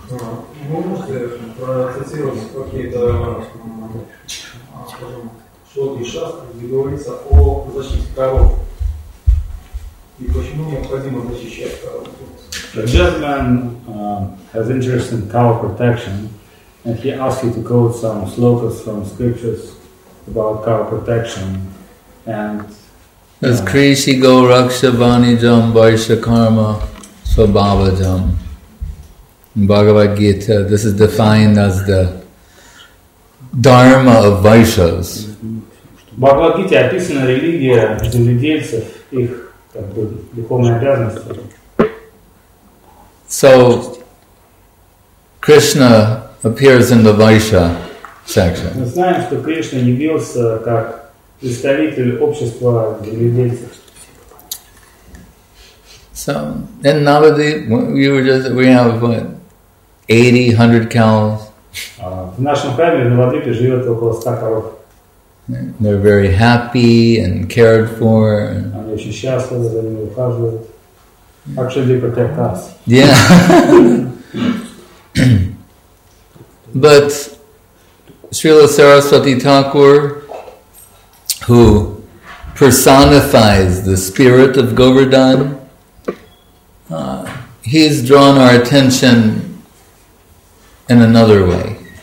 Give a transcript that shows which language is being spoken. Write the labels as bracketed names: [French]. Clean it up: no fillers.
[English] A gentleman has interest in cow protection, and he asks you to quote some slokas from scriptures about cow protection, and [Sanskrit] as Krishi go rakshavani jam barsha karma swabhava jam. [English] Bhagavad Gita, this is defined as the dharma of Vaishyas. [Russian] Bhagavad Gita описана религия земледельцев, их как бы духовные обязанности. [English] So Krishna appears in the Vaishya section. [Russian] Мы знаем, что Кришна явился как представитель общества земледельцев. [English] So in Navadvip, we have what? 80-100 cows. [Russian] В нашем храме на Навадвипе живет около 100 коров. [English] They're very happy and cared for. [Russian] Они очень счастливы, за ними ухаживают. [English] Actually, they protect us. Yeah. But Srila Saraswati Thakur, who personifies the spirit of Govardhan, he's drawn our attention in another way.